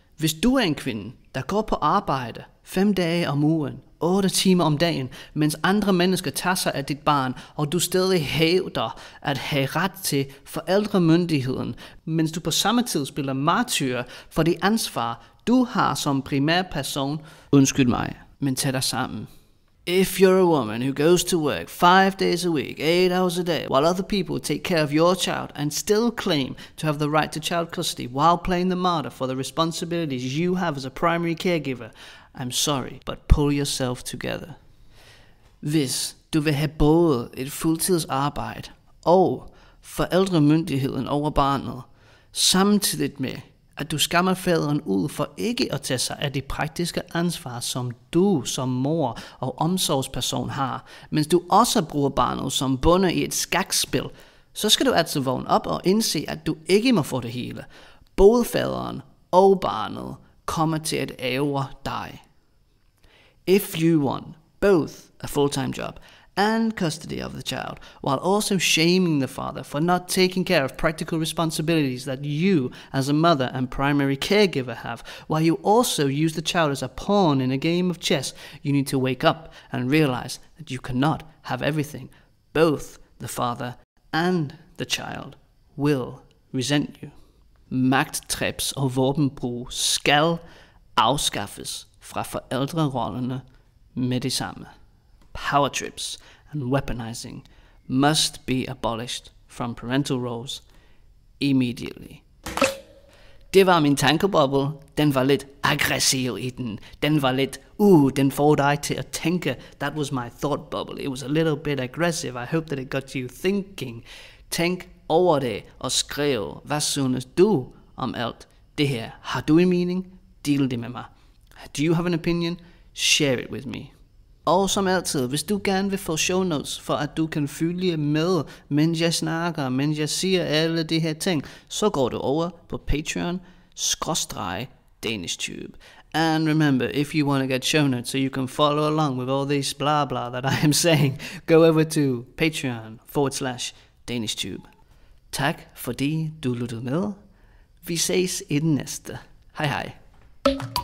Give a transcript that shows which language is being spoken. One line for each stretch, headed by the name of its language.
Danish: Hvis du er en kvinde, der går på arbejde 5 dage om ugen, 8 timer om dagen, mens andre mennesker tager sig af dit barn, og du stadig hævder at have ret til forældremyndigheden, mens du på samme tid spiller martyr for det ansvar, du har som primærperson. Undskyld mig, men tag dig sammen.
English: If you're a woman who goes to work 5 days a week, 8 hours a day, while other people take care of your child and still claim to have the right to child custody while playing the martyr for the responsibilities you have as a primary caregiver, I'm sorry, but pull yourself together.
Danish: Hvis du vil have både et fuldtidsarbejde og forældremyndigheden over barnet, samtidig med at du skammer faderen ud for ikke at tage sig af det praktiske ansvar, som du som mor og omsorgsperson har, mens du også bruger barnet som bonde i et skakspil, så skal du altså vågne op og indse, at du ikke må få det hele. Både faderen og barnet kommer til at ære dig.
English: If you want both a full-time job and custody of the child, while also shaming the father for not taking care of practical responsibilities that you, as a mother and primary caregiver, have, while you also use the child as a pawn in a game of chess, you need to wake up and realize that you cannot have everything. Both the father and the child will resent you.
Danish: Magttrips og våbenbrug skal afskaffes fra forældrerollerne med det samme.
English: Power trips and weaponizing must be abolished from parental roles immediately.
Danish: Det var min tankeboble. Den var lidt aggressiv i den. Den var lidt, den får dig til at tænke.
English: That was my thought bubble. It was a little bit aggressive. I hope that it got you thinking.
Danish: Tænk over det og skriv, hvad synes du om alt det her? Har du en mening? Del det med mig.
English: Do you have an opinion? Share it with me.
Danish: Og som altid, hvis du gerne vil få show notes, for at du kan følge med, mens jeg snakker, mens jeg siger alle de her ting, så går du over på Patreon/DanishTube.
English: And remember, if you want to get show notes so you can follow along with all this blah blah that I am saying, go over to Patreon/DanishTube.
Danish: Tak fordi du lyttede med. Vi ses i den næste. Hej hej.